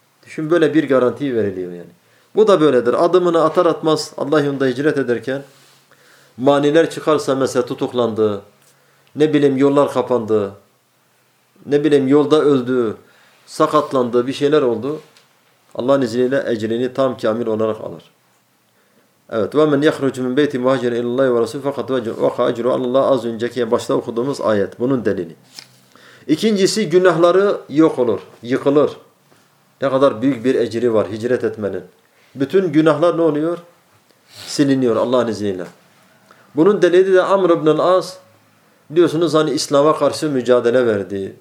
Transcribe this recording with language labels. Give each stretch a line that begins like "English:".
Turkish: Düşün böyle bir garanti veriliyor yani. Bu da böyledir. Adımını atar atmaz Allah yolunda hicret ederken maniler çıkarsa mesela tutuklandı. Ne bileyim yollar kapandı. Ne bileyim yolda öldü. Sakatlandı bir şeyler oldu. Allah'ın izniyle ecrini tam kamil olarak alır. Evet.
Arabic: وَمَنْ يَخْرُجُ مِنْ بَيْتِ مُهَاجِرًا اِلَى اللّٰهِ وَرَسُولِهِ فَقَدْ وَقَعَ اَجْرُهُ عَلَى اللّٰهِ
Turkish: az önceki başta okuduğumuz ayet. Bunun delili. İkincisi günahları yok olur. Yıkılır. Ne kadar büyük bir ecri var hicret etmenin. Bütün günahlar ne oluyor? Siliniyor Allah'ın izniyle. Bunun delili de Amr ibn-i As. Biliyorsunuz hani İslam'a karşı mücadele verdi.